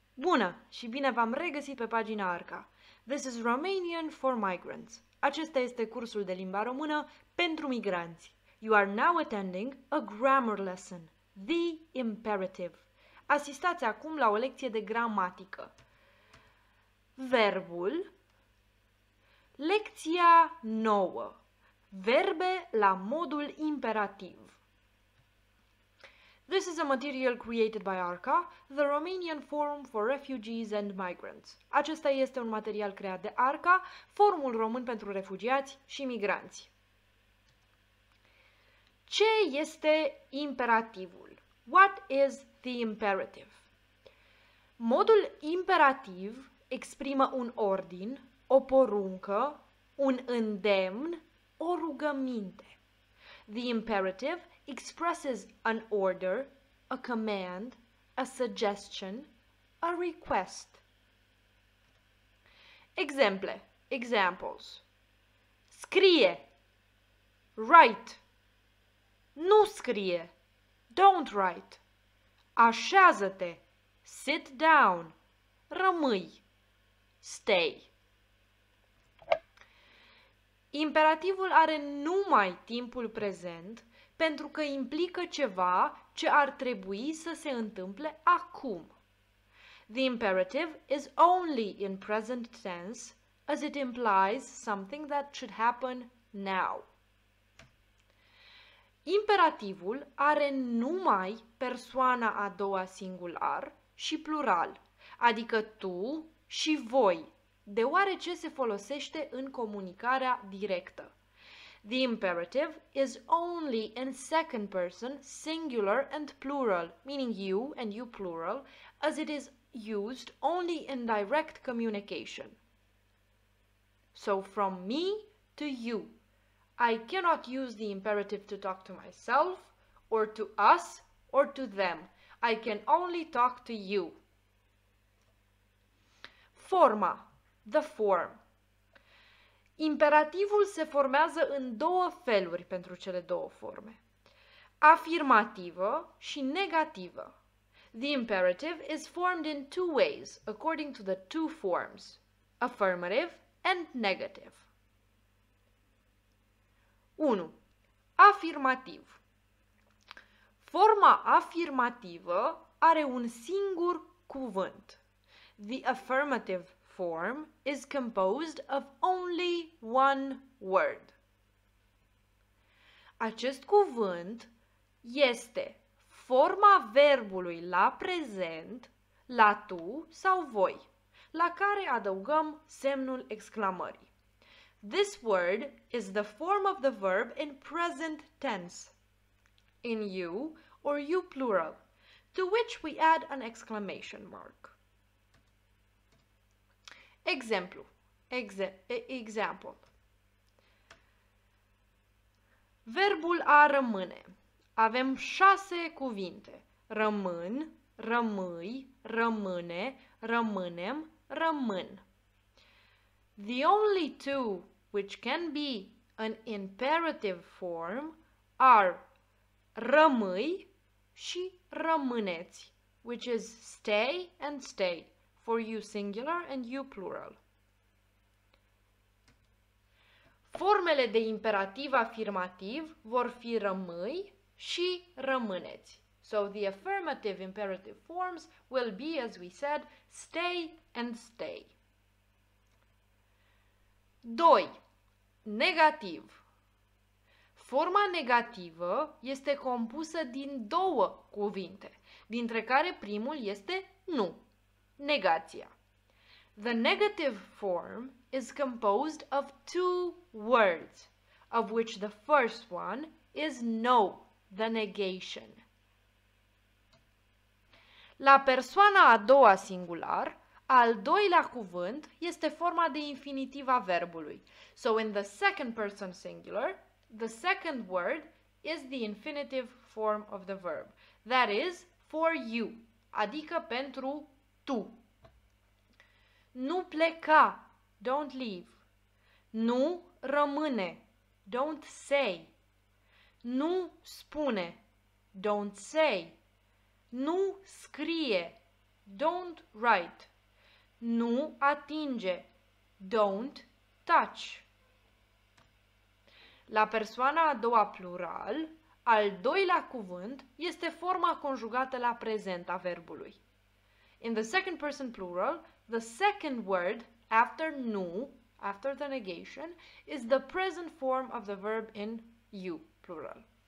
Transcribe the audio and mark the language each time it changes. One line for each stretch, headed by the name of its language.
Romanian: Bună și bine v-am regăsit pe pagina Arca!
English: This is Romanian for migrants.
Romanian: Acesta este cursul de limba română pentru migranți.
English: You are now attending a grammar lesson, the imperative.
Romanian: Asistați acum la o lecție de gramatică. Verbul. Lecția 9. Verbe la modul imperativ.
English: This is a material created by ARCA, the Romanian Forum for Refugees and Migrants.
Romanian: Acesta este un material creat de ARCA, Forumul Român pentru Refugiați și Migranți. Ce este imperativul?
English: What is the imperative?
Romanian: Modul imperativ exprimă un ordin, o poruncă, un îndemn, o rugăminte.
English: The imperative expresses an order, a command, a suggestion, a request.
Romanian: Exemple,
English: examples.
Romanian: Scrie,
English: write.
Romanian: Nu scrie,
English: don't write.
Romanian: Așează-te,
English: sit down.
Romanian: Rămâi,
English: stay.
Romanian: Imperativul are numai timpul prezent, pentru că implică ceva ce ar trebui să se întâmple acum.
English: The imperative is only in present tense, as it implies something that should happen now.
Romanian: Imperativul are numai persoana a doua singular și plural, adică tu și voi, deoarece se folosește în comunicarea directă.
English: The imperative is only in second person, singular and plural, meaning you and you plural, as it is used only in direct communication. So, from me to you. I cannot use the imperative to talk to myself, or to us, or to them. I can only talk to you.
Romanian: Forma,
English: the form.
Romanian: Imperativul se formează în două feluri pentru cele două forme, afirmativă și negativă.
English: The imperative is formed in two ways, according to the two forms, affirmative and negative.
Romanian: 1. Afirmativ. Forma afirmativă are un singur cuvânt.
English: The affirmative form is composed of only one word.
Romanian: Acest cuvânt este forma verbului la prezent, la tu sau voi, la care adăugăm semnul exclamării.
English: This word is the form of the verb in present tense, in you or you plural, to which we add an exclamation mark.
Romanian: Exemplu.
English: Example.
Romanian: Verbul a rămâne. Avem 6 cuvinte. Rămân, rămâi, rămâne, rămânem, rămân.
English: The only two which can be an imperative form are
Romanian: rămâi și rămâneți,
English: which is stay and stay. For you singular and you plural.
Romanian: Formele de imperativ afirmativ vor fi rămâi și rămâneți.
English: So the affirmative imperative forms will be, as we said, stay and stay.
Romanian: 2. Negativ. Forma negativă este compusă din două cuvinte, dintre care primul este nu. Negația.
English: The negative form is composed of two words, of which the first one is no, the negation.
Romanian: La persoana a doua singular, al doilea cuvânt este forma de infinitiv a verbului.
English: So in the second person singular, the second word is the infinitive form of the verb. That is for you,
Romanian: adică pentru tu. Nu pleca,
English: don't leave.
Romanian: Nu rămâne,
English: don't say.
Romanian: Nu spune,
English: don't say.
Romanian: Nu scrie.
English: Don't write.
Romanian: Nu atinge.
English: Don't touch.
Romanian: La persoana a doua plural, al doilea cuvânt este forma conjugată la prezent a verbului.
English: In the second person plural, the second word after nu, after the negation, is the present form of the verb in you, plural.